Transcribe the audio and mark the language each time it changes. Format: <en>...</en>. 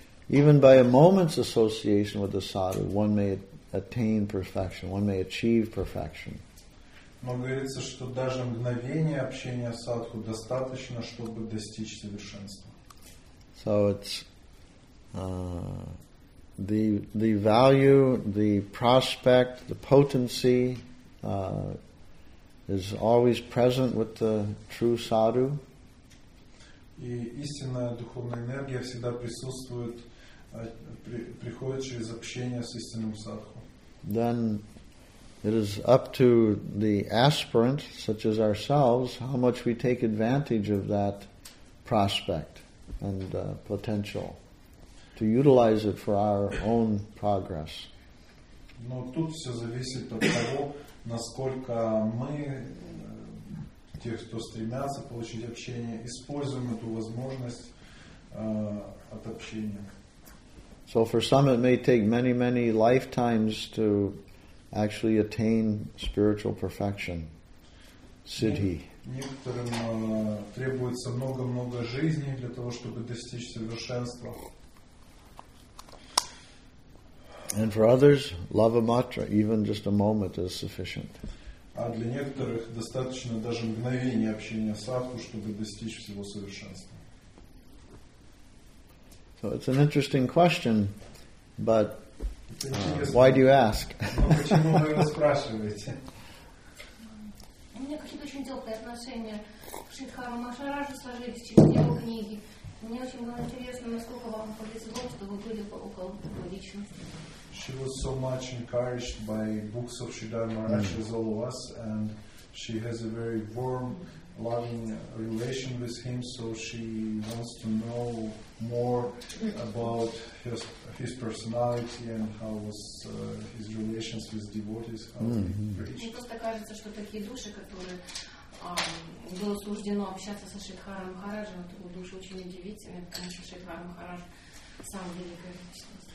<en>Even by a moment's association with the sadhu, one may attain perfection, one may achieve perfection.</en> <ru>Но говорится, что даже мгновение общения с садху достаточно, чтобы достичь совершенства.</ru> <en>So it's the value, the prospect, the potency is always present with the true sadhu.</en> <ru>И истинная духовная энергия всегда присутствует, приходит через общение с истинным садху.</ru> <en>Then it is up to the aspirant, such as ourselves, how much we take advantage of that prospect and potential to utilize it for our own progress.</en> <ru>Но тут все зависит от того, насколько мы, тех, кто стремятся получить общение, используем эту возможность от общения.</ru> <en>So for some it may take many, many lifetimes to actually attain spiritual perfection, siddhi.</en> <ru>Некоторым требуется много-много жизни для того, чтобы достичь совершенства.</ru> <en>And for others, lava matra, even just a moment is sufficient.</en> <ru>А для некоторых достаточно даже мгновения общения с садху, чтобы достичь всего совершенства.</ru> <en>So it's an interesting question, but why do you ask?</en> <ru>У меня какие-то очень теплые отношения к Шридхару Махараджу сложились через его книги. Мне очень было интересно, насколько вам повезло, что вы были около такой личности.</ru> <en>She was so much encouraged by books of Shridhara Maharaj as all of us, and she has a very warm, loving relation with him, so she wants to know more about his personality and how was his relations with devotees, how he preached.</en> <ru>Мне просто кажется, что такие души, которые было суждено общаться со Шридхарой Махараджем, такие души очень удивительные, потому что Шридхара Махарадж сам великая личность.</ru>